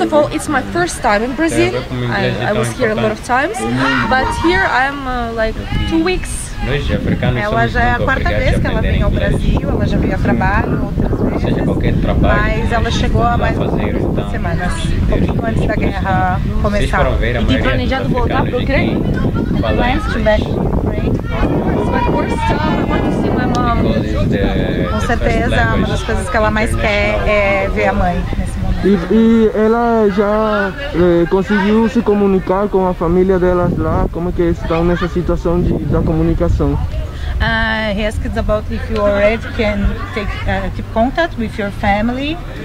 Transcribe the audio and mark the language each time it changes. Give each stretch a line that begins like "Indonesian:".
English: of all, it's my first time in Brazil. I was here a lot of times, but here I'm like 2 weeks.
Portuguese: Ela já é a quarta vez que ela vem ao Brasil, ela já veio a trabalho outras vezes, seja, qualquer trabalho, mas ela chegou há mais duas semanas, um pouquinho antes da guerra começar. E tem planejado voltar para a Ucrânia?
English: Plans to back to Ukraine. My first time, I want to see my mom.
Portuguese: Com certeza, uma das coisas que ela mais quer é ver a mãe. E ela já conseguiu se comunicar com a família delas lá? Como é que estão nessa situação da comunicação?
English: he asked about if you already can take keep contact with your family.